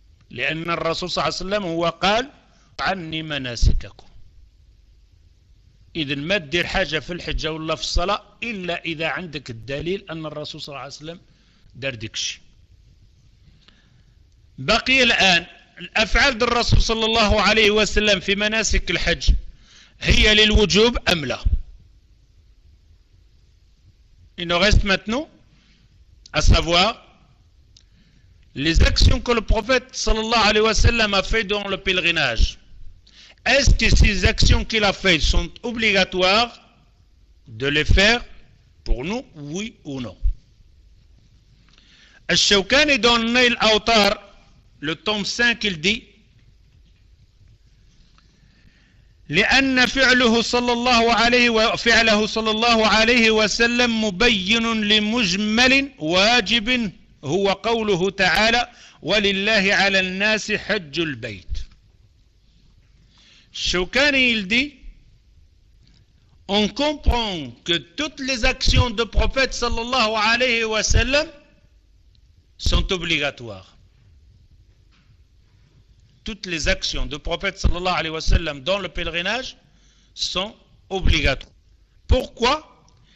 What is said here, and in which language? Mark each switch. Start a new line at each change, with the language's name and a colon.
Arabic: لأن الرسول صلى الله عليه وسلم هو قال عني مناسككم. إذن ما تدير حاجة في الحجة ولا في الصلاة إلا إذا عندك الدليل أن الرسول صلى الله عليه وسلم دار ديك الشيء. بقي الآن الأفعال ديال الرسول صلى الله عليه وسلم في مناسك الحج هي للوجوب أم لا؟
French: Il nous reste maintenant à savoir les actions que le prophète sallallahu alayhi wa sallam a fait durant le pèlerinage, est-ce que ces actions qu'il a faites sont obligatoires de les faire pour nous, oui ou non? Al-Shawkani dans Nail Autar, le tome 5, il dit
Arabic: لأن فعله صلى الله عليه وفعله صلى الله عليه وسلم مبين لمجمل واجب هو قوله تعالى ولله على الناس حج البيت.
French: Shawkani il dit, on comprend que toutes les actions du prophète sallallahu alayhi wa sallam sont obligatoires. Toutes les actions du prophète sallallahu alayhi wa sallam dans le pèlerinage sont obligatoires. Pourquoi?